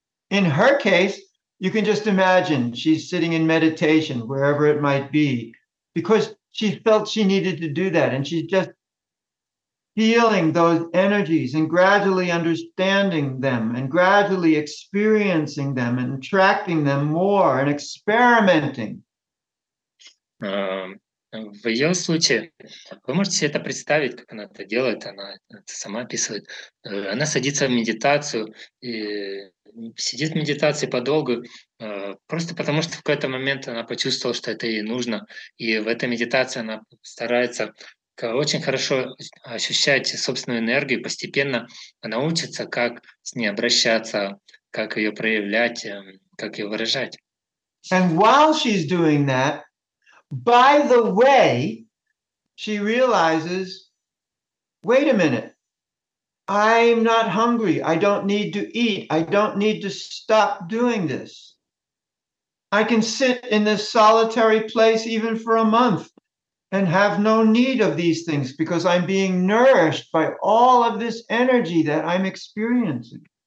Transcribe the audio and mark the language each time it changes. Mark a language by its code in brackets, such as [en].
[en] In her case, you can just imagine she's sitting in meditation, wherever it might be, because she felt she needed to do that. And she's just feeling those energies and gradually understanding them and gradually experiencing them and attracting them more and experimenting. [ru] В ее случае, вы можете себе это представить, как она это делает, она это сама описывает. Она садится в медитацию, и сидит в медитации подолгу, просто потому что в какой-то момент она почувствовала, что это ей нужно. И в этой медитации она старается очень хорошо ощущать собственную энергию, постепенно она учится, как с ней обращаться, как ее проявлять, как ее выражать. [en] And while she's doing that, by the way, she realizes, wait a minute, I'm not hungry. I don't need to eat. I don't need to stop doing this. I can sit in this solitary place even for a month and have no need of these things because I'm being nourished by all of this energy that I'm experiencing.